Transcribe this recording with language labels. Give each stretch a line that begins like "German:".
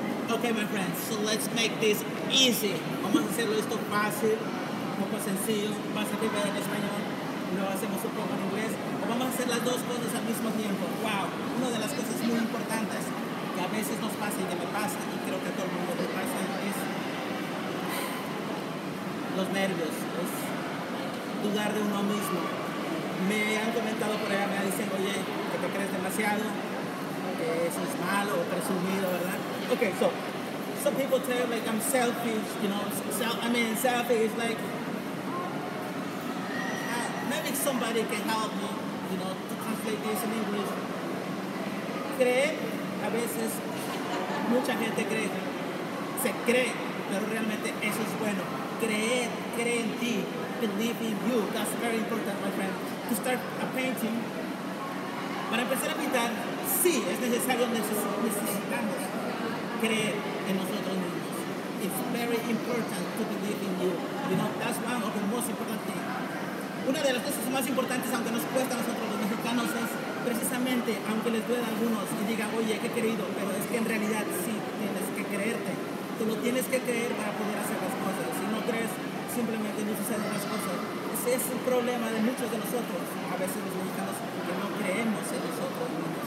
English: Ok, my friends, so let's make this easy.
Spanish: Vamos a hacerlo esto fácil, un poco sencillo. Vas a escribir en español, lo hacemos un poco en inglés. O vamos a hacer las dos cosas al mismo tiempo. Wow, una de las cosas muy importantes que a veces nos pasa y que me pasa, y creo que a todo el mundo le pasa, es los nervios, es dudar de uno mismo. Me han comentado por allá, me dicen, oye, que te crees demasiado, que eso es malo o presumido, ¿verdad?
English: Okay, so some people tell like I'm selfish, you know. Selfish is like maybe somebody can help me, you know, to translate this in English.
Spanish: Cree, a veces mucha gente cree, se cree, pero realmente eso es bueno. Creer, cree en ti,
English: believe in you. That's very important, my friend. To start a painting,
Spanish: para empezar a pintar, sí, es necesario, necesitamos creer en nosotros mismos.
English: It's very important to believe in you. You know, that's one of the most important things.
Spanish: Una de las cosas más importantes, aunque nos cuesta a nosotros los mexicanos, es precisamente, aunque les duela a algunos y digan, oye, qué querido, pero es que en realidad sí tienes que creerte. Tú lo tienes que creer para poder hacer las cosas. Si no crees, simplemente no suceden las cosas. Ese es el problema de muchos de nosotros. A veces los mexicanos que no creemos en nosotros mismos.